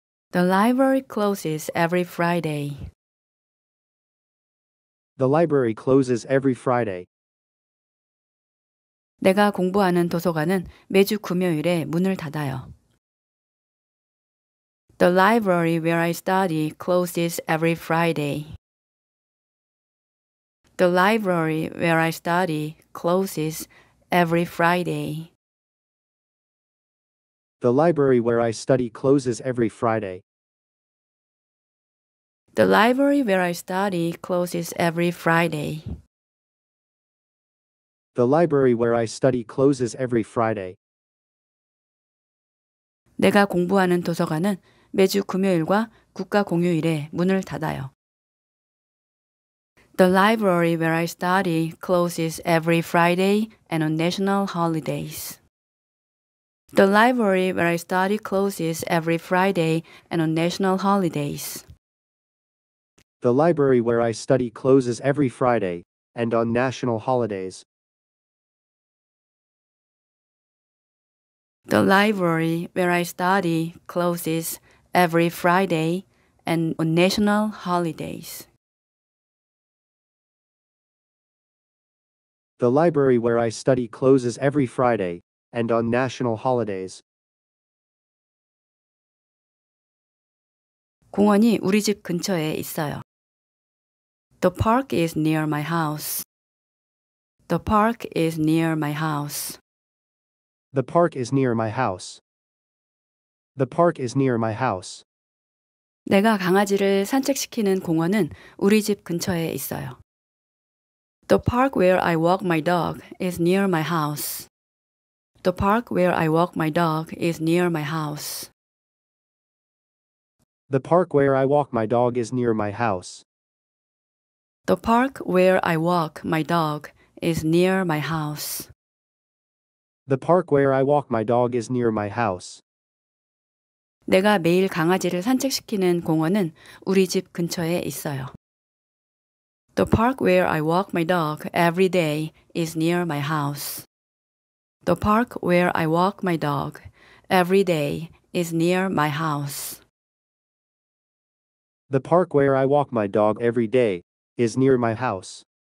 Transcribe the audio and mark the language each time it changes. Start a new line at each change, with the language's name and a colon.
English: The library closes every Friday. The library closes every Friday.
Korean: 내가 공부하는 도서관은 매주 금요일에 문을 닫아요.
English: The library where I study closes every Friday. The library where I study closes every Friday. The library where I study closes every Friday. The library where I study closes every Friday. The library where I study closes every Friday.
Korean: 내가 공부하는 도서관은 매주 금요일과 국가 공휴일에 문을 닫아요.
English: The library where I study closes every Friday and on national holidays. The library where I study closes every Friday and on national holidays. The library where I study closes every Friday and on national holidays. The library where I study closes every Friday and on national holidays. The library where I study closes every Friday and on national holidays.
Korean: 공원이 우리 집 근처에 있어요.
English: The park is near my house. The park is near my house. The park is near my house. The park is near my house.
Korean: 내가 강아지를 산책시키는 공원은 우리 집 근처에 있어요.
English: The park where I walk my dog is near my house. The park where I walk my dog is near my house. The park where I walk my dog is near my house. The park where I walk my dog is near my house. The park where I walk my dog is near my house.
Korean: 내가 매일 강아지를 산책시키는 공원은 우리 집 근처에 있어요.
English: The park where I walk my dog every day is near my house. The park where I walk my dog every day is near my house. The park where I walk my dog every day is near my house.